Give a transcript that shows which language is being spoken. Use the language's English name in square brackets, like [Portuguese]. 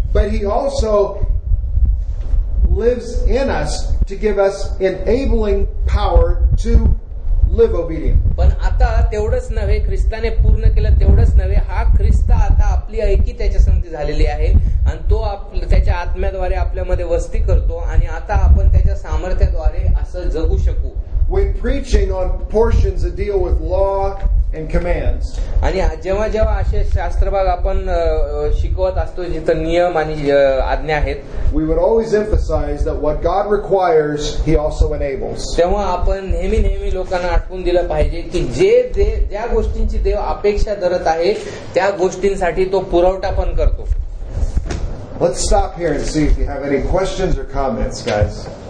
[English] But he also lives in us to give us enabling power to live obedient. [Marathi] पण आता तेवढंच नव्हे, ख्रिस्ताने पूर्ण केलं तेवढंच नव्हे, हा ख्रिस्त आता आपली ऐकी त्याच्या संगती झालेली आहे आणि तो त्याच्या आत्म्याद्वारे आपल्यामध्ये वस्ती करतो आणि आता आपण त्याच्या सामर्थ्याद्वारे असं जगू शकू. [English] When preaching on portions that deal with law and commands, [Marathi] आणि जेव्हा जेव्हा असे शास्त्रभाग आपण शिकवत असतो जिथं नियम आणि आज्ञा आहेत, [English] we would always emphasize that what God requires, he also enables. [Marathi] तेव्हा आपण नेहमी नेहमी लोकांना आठवून दिलं पाहिजे की जे ज्या गोष्टींची देव अपेक्षा धरत आहे त्या गोष्टींसाठी तो पुरवठा पण करतो. [English] Let's stop here and see if you have any questions or comments, guys.